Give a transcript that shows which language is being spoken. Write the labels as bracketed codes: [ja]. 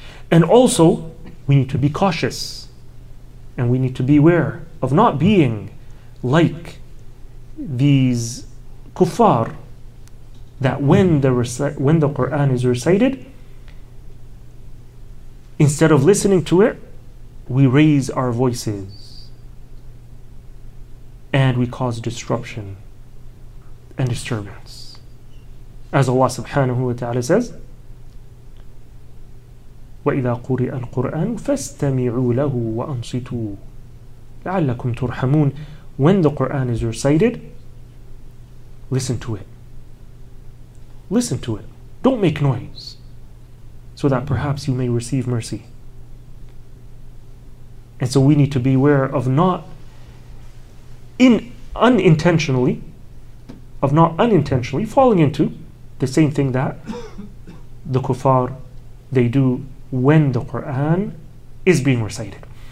[en] And also, we need to be cautious, and we need to beware of not being like these kuffar, that when the Quran is recited, instead of listening to it, we raise our voices and we cause disruption and disturbance. As Allah subhanahu wa ta'ala says, [ar] وَإِذَا قُرِئَ الْقُرْآنُ فَاسْتَمِعُوا لَهُ وَأَنْصِتُوا لَعَلَّكُمْ تُرْحَمُونَ. [en] When the Quran is recited, listen to it. Listen to it. Don't make noise, so that perhaps you may receive mercy. And so we need to beware of not unintentionally falling into the same thing that the kuffar, they do when the Quran is being recited.